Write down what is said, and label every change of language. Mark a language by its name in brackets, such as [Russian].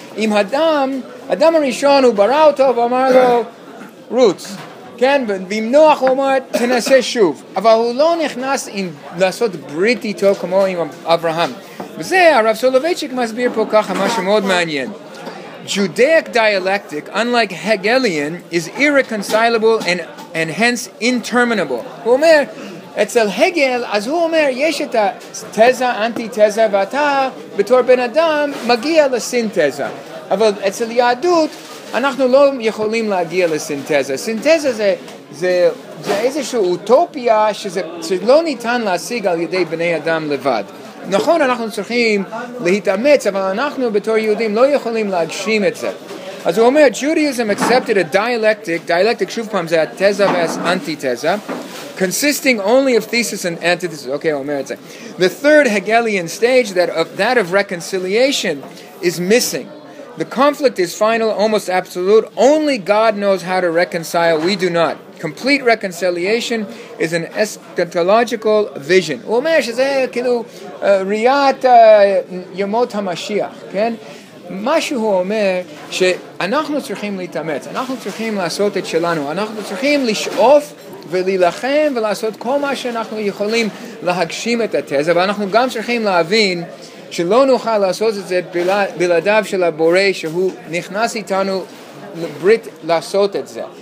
[Hebrew] עם אדם, אדם הראשון, הוא ברא אותו ואמר לו, רוץ. כן? ועם נוח הוא אמר, תנסה שוב. אבל הוא לא נכנס עם, לעשות ברית איתו כמו עם אברהם. וזה הרב סולובייצ'יק מסביר פה ככה, משהו מאוד מעניין. [English] Judaic dialectic, unlike Hegelian, is irreconcilable and hence interminable. [Hebrew] הוא אומר, אצל הגל, אז הוא אומר, יש את התזה, אנטיתזה, ואתה בתור בן אדם מגיע לסינתזה. אבל אצל יהדות, אנחנו לא יכולים להגיע לסינתזה. סינתזה זה איזושהי אוטופיה שלא ניתן להשיג על ידי בני אדם לבד. נכון, אנחנו צריכים להתאמץ, אבל אנחנו בתור יהודים לא יכולים להגשים את זה. אז הוא אומר, [English] Judaism accepted a dialectic, [Hebrew] שוב פעם, זה התזה והאנטיתזה, [English] consisting only of thesis and antithesis. [Hebrew] Okay, הוא אומר את זה. [English] The third Hegelian stage, that of reconciliation, is missing. The conflict is final, almost absolute. Only God knows how to reconcile. We do not. Complete reconciliation is an eschatological vision. [Hebrew] הוא אומר שזה כאילו ראיית ימות המשיח, כן? מה שהוא אומר שאנחנו צריכים להתאמץ, אנחנו צריכים לעשות את שלנו, אנחנו צריכים לשאוף ולהילחם ולעשות כל מה שאנחנו יכולים להגשים את התזה, ואנחנו גם צריכים להבין שלא נוכל לעשות את זה בלעדיו של הבורא שהוא נכנס איתנו לברית לעשות את זה.